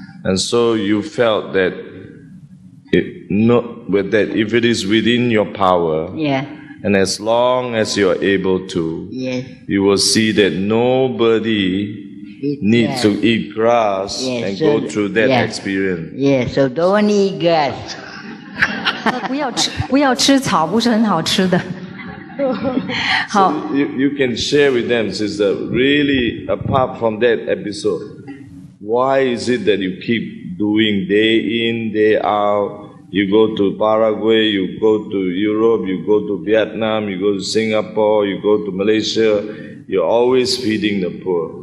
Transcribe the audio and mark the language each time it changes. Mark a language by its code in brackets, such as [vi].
[en] And so you felt that if it is within your power. Yeah. And as long as you are able to, yes. you will see that nobody needs to eat grass yes, and so, go through that yeah. experience. Yes, so don't eat grass. [zh] 不要吃草，不是很好吃的。 [en] 好 so you can share with them, sister, really, apart from that episode, why is it that you keep doing day in, day out,You go to Paraguay, you go to Europe, you go to Vietnam, you go to Singapore, you go to Malaysia, you're always feeding the poor.